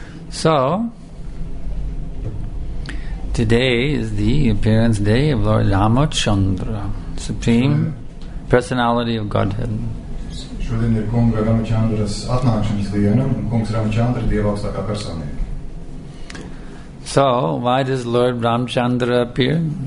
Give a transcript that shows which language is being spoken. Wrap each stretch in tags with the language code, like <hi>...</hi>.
<en>So, today is the appearance day of Lord Ramachandra, Supreme Personality of Godhead.</en> <lv>Šodien ir kunga Ramachandras atnākšanas diena, un kungs Ramachandra dievaukstākā personība.</lv> <en>So, why does Lord Ramachandra appear?</en>